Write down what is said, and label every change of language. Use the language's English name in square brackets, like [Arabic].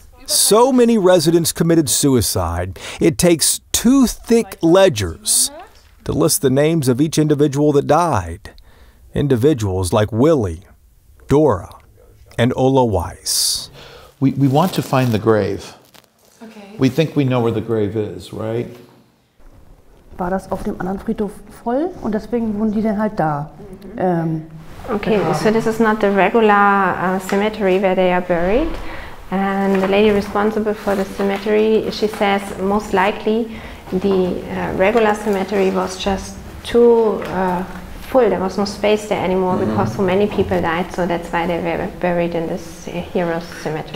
[English] so many residents committed suicide, it takes two thick ledgers to list the names of each individual that died. Individuals like Willie, Dora, and Ola Weiss. We want to find the grave. Okay. We think we know where the grave is, right? [German] War das auf dem anderen Friedhof voll und deswegen wohnen die dann halt da. [English] Okay, so this is not the regular cemetery where they are buried. And the lady responsible for the cemetery, she says most likely the regular cemetery was just too full. There was no space there anymore because so many people died. So that's why they were buried in this hero's cemetery.